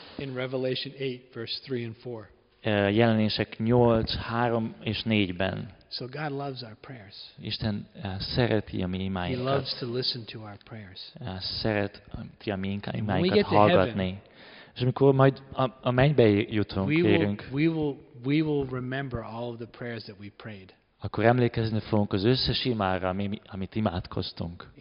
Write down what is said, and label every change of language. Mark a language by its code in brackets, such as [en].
[en] In Revelation 8, verse 3 and 4. [hu] Jelenések 8, 3 és 4-ben. [en] So God loves our prayers. [hu] Isten szereti a mi imáinkat. [en] He loves to listen to our prayers. [hu] Szereti a mi imáinkat hallgatni. És amikor majd a mennybe jutunk, kérünk, [en] we will remember all of the prayers that we prayed. [hu] Akkor emlékezni fogunk az összes imára, amit imádkoztunk.